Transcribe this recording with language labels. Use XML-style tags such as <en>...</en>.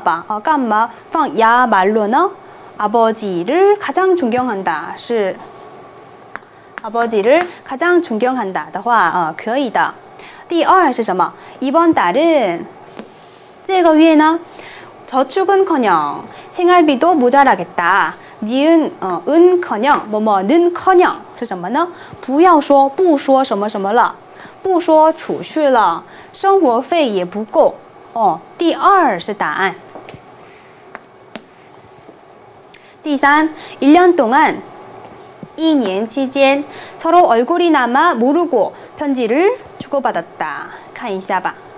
<zh>简直的意思吧。那么我尊敬我的爸爸，干嘛放야말로呢?</zh> <ko>아버지를 가장 존경한다. 是 아버지를 가장 존경한다的话，</ko> <zh>可以的。第二是什么?</zh> <ko>이번 달은</ko> <zh>这个月呢?</zh> <ko>저축은커녕 생활비도 모자라겠다. 니은 은커녕 뭐뭐는커녕</ko> <zh>是什么呢? 不要说不说什么什么了不说储蓄了生活费也不够第二是答案第三 1년 동안 2년期间</zh> <ko>서로 얼굴이나마 모르고 편지를 주고받았다.</ko> <zh>看一下吧.</zh>